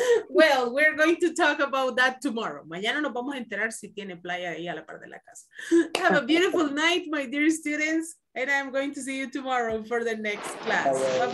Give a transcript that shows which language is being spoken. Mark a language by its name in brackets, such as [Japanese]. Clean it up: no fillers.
[English] Well, we're going to talk about that tomorrow. [Spanish] Mañana nos vamos a enterar si tiene playa ahí a la par de la casa. [English] Have a beautiful night, my dear students, and I'm going to see you tomorrow for the next class. Bye-bye.